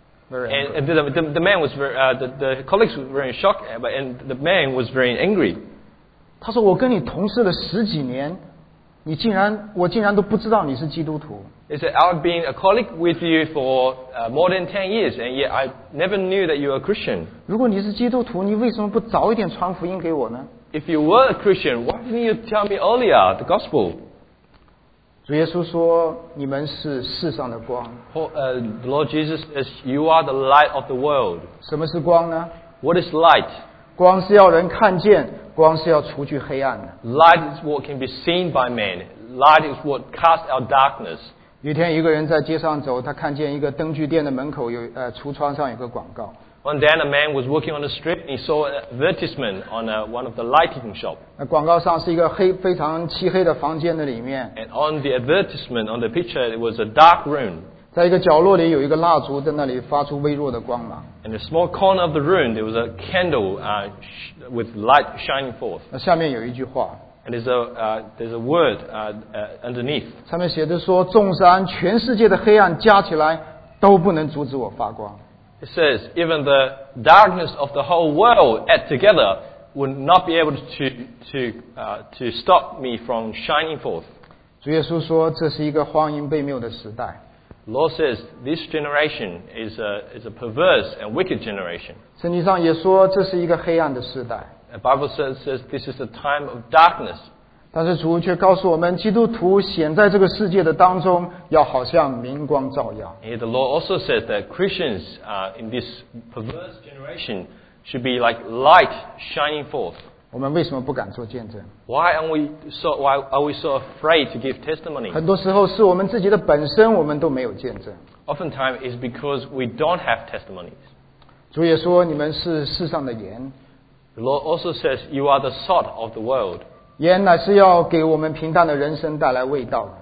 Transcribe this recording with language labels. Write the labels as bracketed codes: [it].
[en] The colleagues were very shocked, and the man was very angry. [zh] 他说：“我跟你同事了十几年，我竟然都不知道你是基督徒。” [en] He said, I've been a colleague with you for more than 10 years, and yet I never knew that you were a Christian. [zh] 如果你是基督徒，你为什么不早一点传福音给我呢？ [en] If you were a Christian, why didn't you tell me earlier the gospel? [zh] 主耶稣说，你们是世上的光。 [en] The Lord Jesus says, you are the light of the world. [zh] 什么是光呢？ [en] What is light? [zh] 光是要人看见，光是要除去黑暗的。 [en] Light is what can be seen by man. Light is what casts out darkness. [zh] 有一天，一个人在街上走，他看见一个灯具店的门口有橱窗上有个广告。 [en] One day, a man was walking on the street and he saw an advertisement on one of the lighting shop. [zh] 那广告上是一个非常漆黑的房间的里面。 [en] And on the advertisement, on the picture, it was a dark room. [zh] 在一个角落里有一个蜡烛在那里发出微弱的光芒。 [en] In a small corner of the room, there was a candle with light shining forth. [zh] 那下面有一句话。 [en] And there's a word underneath. [zh] 上面写的说，众山全世界的黑暗加起来都不能阻止我发光。 [en] It says even the darkness of the whole world add together would not be able to stop me from shining forth. [zh] 主耶稣说，这是一个荒淫悖谬的时代。 [en] Lord says this generation is a perverse and wicked generation. [zh] 圣经上也说，这是一个黑暗的时代。 [en] The Bible says this is a time of darkness. [zh] 但是主却告诉我们，基督徒显在这个世界的当中，要好像明光照耀。 [en] And the Lord also says that Christians in this perverse generation should be like light shining forth. [zh] 我们为什么不敢做见证？ [en] Why are we so afraid to give testimony? [zh] 很多时候是我们自己的本身，我们都没有见证。 [en] Oftentimes it's because we don't have testimonies. [zh] 主也说，你们是世上的盐。 [en] The Lord also says, "You are the salt of the world." [zh] 盐乃是要给我们平淡的人生带来味道。